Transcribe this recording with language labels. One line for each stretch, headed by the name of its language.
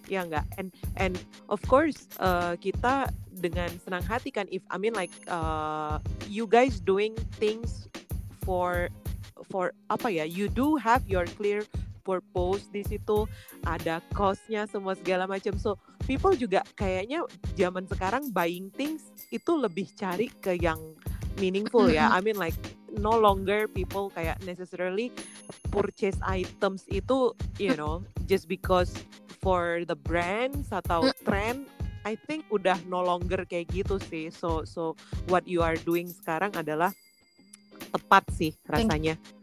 Indonesian: Ya enggak?
English: And of course,
Indonesian: kita dengan senang hati kan,
English: if I mean like you guys doing things for
Indonesian: apa ya?
English: You do have your clear purpose
Indonesian: di situ, ada cost-nya semua segala macam.
English: So, people
Indonesian: juga kayaknya zaman sekarang
English: buying things
Indonesian: itu lebih cari ke yang meaningful ya.
English: I mean like no longer people
Indonesian: kayak
English: necessarily purchase items
Indonesian: itu,
English: you know, just because for the brand
Indonesian: atau
English: trend. I think
Indonesian: udah
English: no longer
Indonesian: kayak gitu sih.
English: So what you are doing
Indonesian: sekarang adalah tepat sih rasanya.